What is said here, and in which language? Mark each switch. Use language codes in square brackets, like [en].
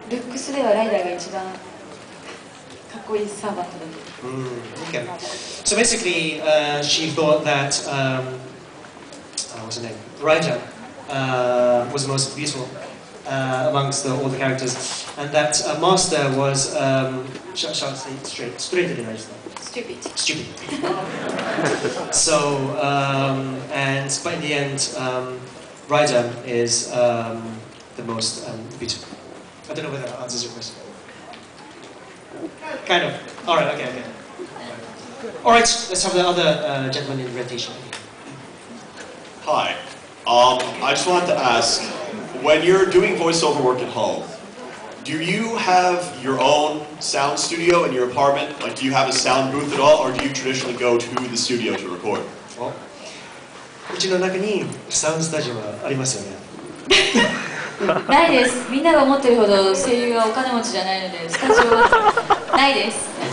[ja] ルックスではライダーが一番かっこいいサーバントだ。 [en] Okay. So basically, she thought that what's her name? Ryder was the most beautiful amongst the, all the characters, and that Master was shall I say straight? Straight in Ryder. Stupid. So and by the end, Ryder is the most beautiful. I don't know whether that answers your question. Kind of. All right. Okay. Okay. All right. Let's have the other gentleman in red T-shirt. Hi. I just wanted to ask, when you're doing voiceover work at home, do you have your own sound studio in your apartment? Like, do you have a sound booth at all, or do you traditionally go to the studio to record? [ja] うちの中にサウンドスタジオはありますよね。ないです。みんなが思ってるほど声優はお金持ちじゃないので、スタジオはないです。